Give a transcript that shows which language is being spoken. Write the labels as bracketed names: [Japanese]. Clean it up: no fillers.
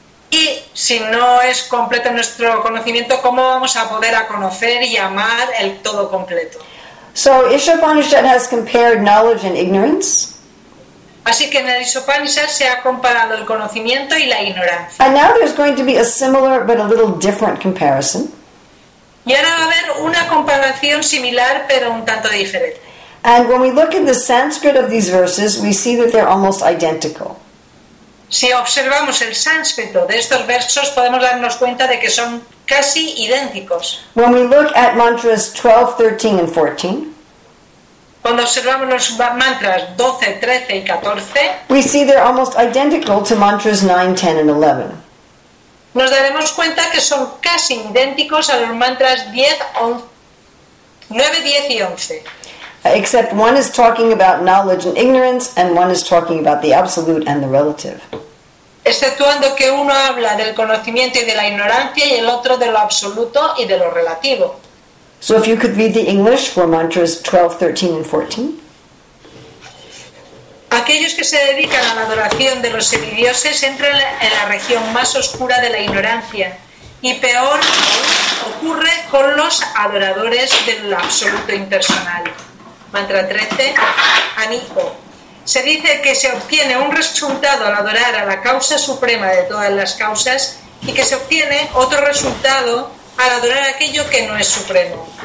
[Spanish] Y si no es completo nuestro conocimiento, ¿cómo vamos a poder a conocer y amar el todo completo? [English] So Isha Upanishad has compared knowledge and ignorance. [Spanish] Así que en el Isha Upanishad se ha comparado el conocimiento y la ignorancia. [English] And now there's going to be a similar but a little different comparison. [Spanish] Y ahora va a haber una comparación similar pero un tanto diferente. [English] And when we look in the Sanskrit of these verses, we see that they're almost identical. [Spanish] Si observamos el sánscrito de estos versos, podemos darnos cuenta de que son casi idénticos. [English] When we look at mantras 12, 13, and 14, [Spanish] cuando observamos los mantras 12, 13 y 14, [English] we see they're almost identical to mantras 9, 10, and 11. [Spanish] Nos daremos cuenta que son casi idénticos a los mantras 10, 9, 10 y 11. [English] Except one is talking about knowledge and ignorance, and one is talking about the absolute and the relative. [Spanish] Exceptuando que uno habla del conocimiento y de la ignorancia, y el otro de lo absoluto y de lo relativo. [English] So if you could read the English for mantras 12, 13, and 14. [Spanish] Aquí aquellos que se dedican a la adoración de los semidioses entran en la región más oscura de la ignorancia, y peor ocurre con los adoradores del absoluto impersonal. Mantra 13, Anijo. Se dice que se obtiene un resultado al adorar a la causa suprema de todas las causas y que se obtiene otro resultado al adorar aquello que no es supremo.